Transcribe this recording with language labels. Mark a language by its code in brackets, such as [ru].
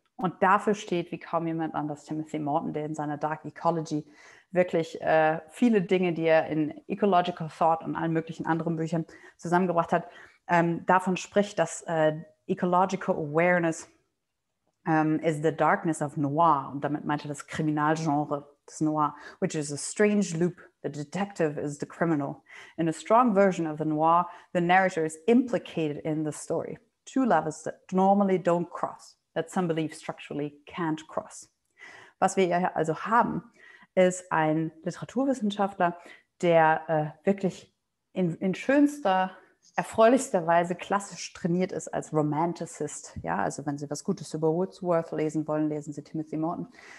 [de] Und dafür steht, wie kaum jemand anders, Timothy Morton, der in seiner Dark Ecology wirklich viele Dinge, die er in Ecological Thought und allen möglichen anderen Büchern zusammengebracht hat, davon spricht, dass [en] Ecological Awareness is the darkness of noir, [de] und damit meinte das Kriminalgenre des Noir, [en] which is a strange loop. The detective is the criminal. In a strong version of the noir, the narrator is implicated in the story. Two levels that normally don't cross, that some believe structurally can't cross. [de] Was wir hier also haben, ist ein Literaturwissenschaftler, der wirklich in schönster, erfreulichsterweise klassisch trainiert ist als Romanticist. Ja, also wenn Sie was Gutes über Wordsworth lesen wollen, lesen Sie Timothy Morton.